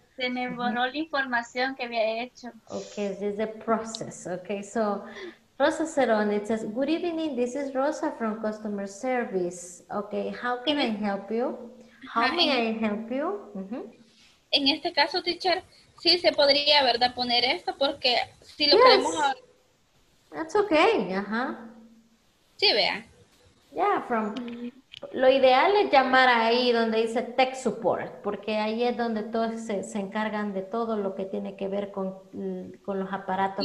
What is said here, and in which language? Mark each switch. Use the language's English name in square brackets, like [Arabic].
[Spanish] Se me borró la información que había hecho. [English] Okay, this is the process. Okay, so Rosa Cerón, it says, good evening, this is Rosa from Customer Service. Okay, how can I help you? How can I help you? Mm-hmm. [Spanish] en este caso, teacher, sí se podría, ¿verdad?, poner esto porque si lo queremos... [English] Yes. That's okay, ajá. [Spanish] Sí, vea. [English] Yeah, from... [Spanish] Lo ideal es llamar ahí donde dice tech support, porque ahí es donde todos se encargan de todo lo que tiene que ver con los aparatos